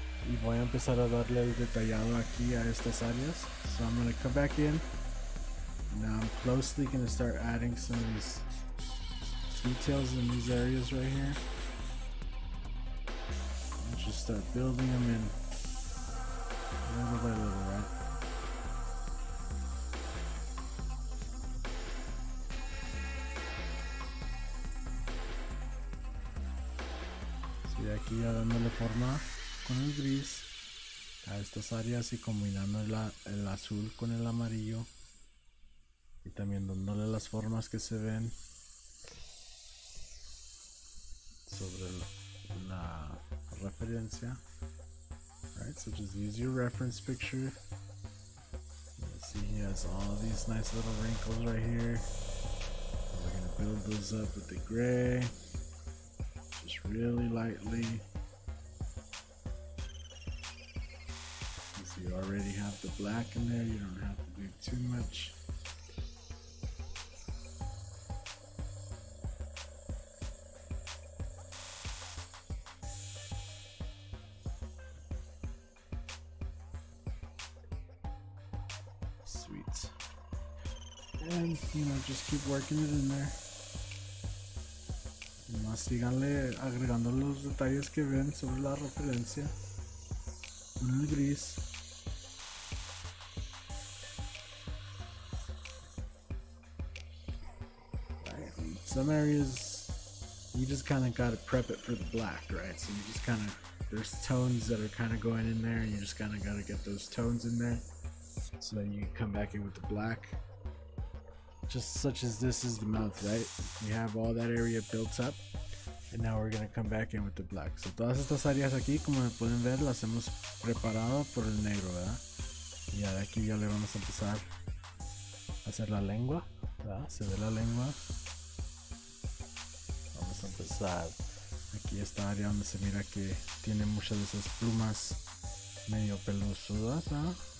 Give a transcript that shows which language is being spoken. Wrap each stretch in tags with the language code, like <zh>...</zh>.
<es>Y voy a empezar a darle el detallado aquí a estas áreas.</es> <en>So I'm gonna come back in. Now I'm closely gonna start adding some of these details in these areas right here. And just start building them in little by little, right?</en> <es>Aquí ya dándole forma con el gris a estas áreas y combinando el azul con el amarillo y también dándole las formas que se ven sobre la referencia.</es> <en>Alright, so just use your reference picture. You see he has all these nice little wrinkles right here. We're gonna build those up with the gray. Just really lightly. Because you already have the black in there, you don't have to do too much. Sweet. And, you know, just keep working it in there.</en> <es>Síganle agregando los detalles que ven sobre la referencia con el gris.</es> <en>Right. Some areas you just kind of gotta prep it for the black, right? So you just kind of, there's tones that are kind of going in there, and you just kind of gotta get those tones in there so that you can come back in with the black. Just such as this is the mouth, right? We have all that area built up. And now we're gonna come back in with the black.</en> <es>So todas estas áreas aquí, como pueden ver, las hemos preparado por el negro, ¿verdad? Y ahora aquí ya le vamos a empezar a hacer la lengua, ¿verdad? Se ve la lengua. Vamos a empezar aquí esta área donde se mira que tiene muchas de esas plumas medio peludas, ¿verdad?</es>